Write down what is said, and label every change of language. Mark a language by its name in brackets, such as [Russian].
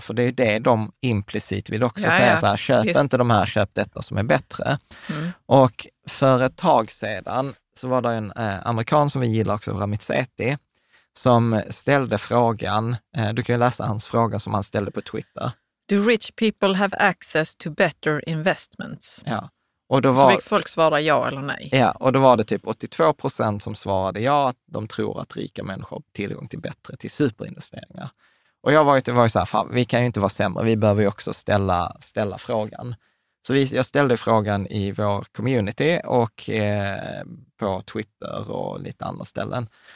[Swedish] För det är det de implicit vill också säga. Så här, köp inte de här, köp detta som är bättre. Mm. Och för ett tag sedan så var det en amerikan som vi gillar också, Ramit Sethi, som ställde frågan. Du kan ju läsa hans fråga som han ställde på Twitter. [English] Do rich people have access to better investments? [Swedish] Ja. Och då var, så fick folk svara ja eller nej? Ja, och då var det typ 82% som svarade ja, att de tror att rika människor har tillgång till bättre, till superinvesteringar. Och jag var ju så här, fan, vi kan ju inte vara sämre, vi behöver ju också ställa frågan. Så jag ställde frågan i vår community och på Twitter och lite andra ställen.